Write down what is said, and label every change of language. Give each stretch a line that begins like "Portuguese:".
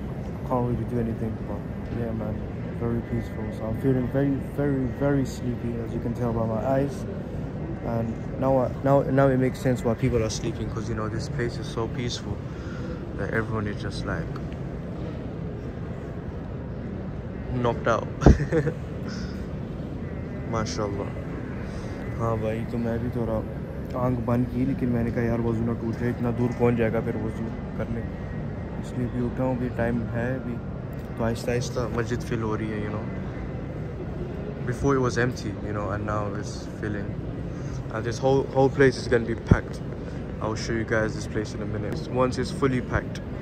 English: Can't really do anything, but yeah, man. Very peaceful, so I'm feeling very, very, very sleepy, as you can tell by my eyes. And now it makes sense why people are sleeping, because you know this place is so peaceful that everyone is just like knocked out. MashaAllah.
Hindi: हाँ भाई, तो मैं भी थोड़ा आँख बंद की, लेकिन मैंने कहा यार वजू ना टूट जाए, इतना दूर कौन जाएगा फिर वजू करने, इसलिए भी उठा हूँ, भी टाइम है अभी. So aista masjid fill ho rahi hai, you know.
English: Before it was empty, you know, and now it's filling. And this whole place is going to be packed. I'll show you guys this place in a minute. Once it's fully packed.